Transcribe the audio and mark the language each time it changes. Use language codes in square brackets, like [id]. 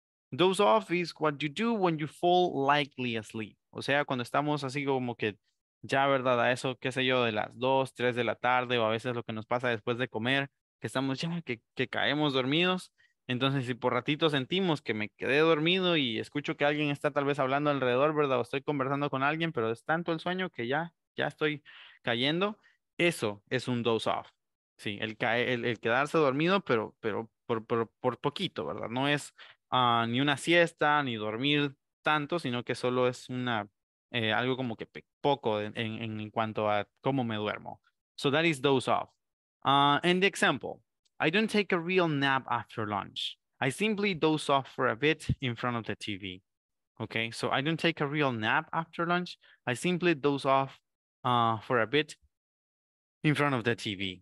[en] Doze off is what you do when you fall lightly asleep. [es] O sea, cuando estamos así como que ya, ¿verdad? A eso, qué sé yo, de las 2, 3 de la tarde, o a veces lo que nos pasa después de comer, que estamos ya, que caemos dormidos. Entonces, si por ratito sentimos que me quedé dormido y escucho que alguien está tal vez hablando alrededor, ¿verdad? O estoy conversando con alguien, pero es tanto el sueño que ya estoy cayendo. Eso es un doze off. Sí, el quedarse dormido, pero por poquito, ¿verdad? No es ni una siesta, ni dormir tanto, sino que solo es una... algo como que poco en cuanto a cómo me duermo. [en] So that is doze off. And the example, I don't take a real nap after lunch. I simply doze off for a bit in front of the TV. Okay, so I don't take a real nap after lunch. I simply doze off for a bit in front of the TV.